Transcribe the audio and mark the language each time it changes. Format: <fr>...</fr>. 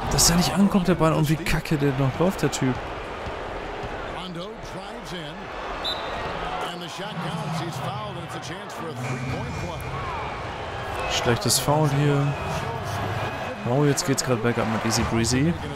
<de>Dass er nicht ankommt, der Ball, und wie kacke der noch läuft, der Typ.</de> <en>Rondo drives in. And the shot counts. He's fouled, and it's a chance for a 3-point play.</en> <de>Schlechtes Foul hier. Oh, jetzt geht's gerade bergab mit Easy Breezy.</de>